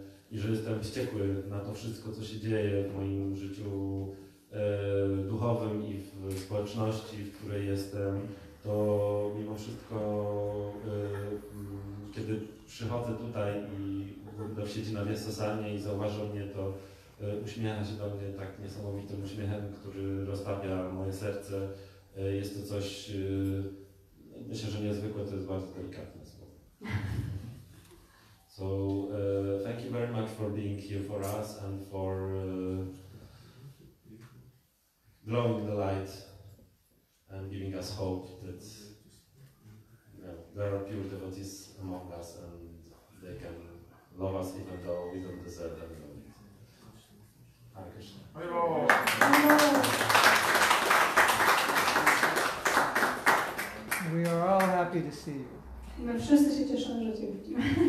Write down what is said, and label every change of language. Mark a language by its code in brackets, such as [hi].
[pl] i że jestem wściekły na to wszystko, co się dzieje w moim życiu duchowym i w społeczności, w której jestem, to mimo wszystko, kiedy przychodzę tutaj i Gurudev siedzi na Vyasasanie i zauważył mnie, to uśmiecha się do mnie tak niesamowitym uśmiechem, który roztapia moje serce. Jest to coś, myślę, że niezwykłe, to jest bardzo delikatne słowo. [en] So thank you very much for being here for us and for glowing the light and giving us hope that there are pure devotees among us and they can love us even though we don't deserve any of it. Hare Krishna. We are all happy to see you. [pl] My wszyscy się cieszą, że cię widzimy.